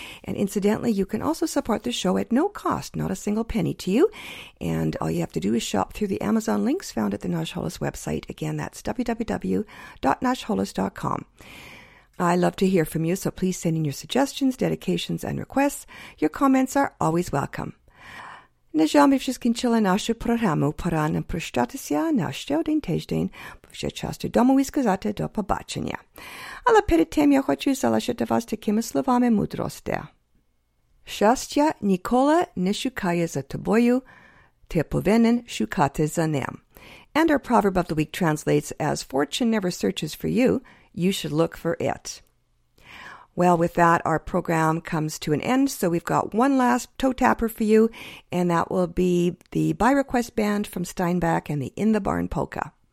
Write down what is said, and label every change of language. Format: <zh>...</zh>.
<en>And incidentally, you can also support the show at no cost, not a single penny to you. And all you have to do is shop through the Amazon links found at the Nash Holos website. Again, that's www.nashholos.com. I love to hear from you, so please send in your suggestions, dedications, and requests. Your comments are always welcome.</en> <uk>На жаль, ми вже скінчили нашу програму. Пора нам прощатися на ще один тиждень, бо вже час додому і сказати до побачення. Але перед тим я хочу залишити вас такими словами мудрості. Щастя ніколи не шукає за тобою, ти повинен шукати за ним.</uk> <en>And our proverb of the week translates as, fortune never searches for you, you should look for it. Well, with that, our program comes to an end, so we've got one last toe-tapper for you, and that will be the By Request Band from Steinbeck and the In the Barn Polka.</en>